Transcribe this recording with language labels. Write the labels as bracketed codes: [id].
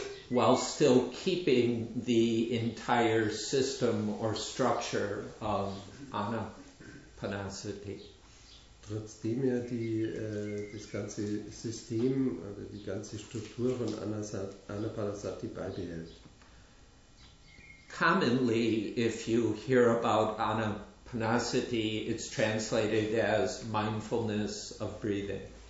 [en] While still keeping the entire system or structure of Anapanasati. [de] Trotzdem ja das ganze System oder die ganze Struktur von Anapanasati beibehält. [en] Commonly, if you hear about Anapanasati, it's translated as mindfulness of breathing.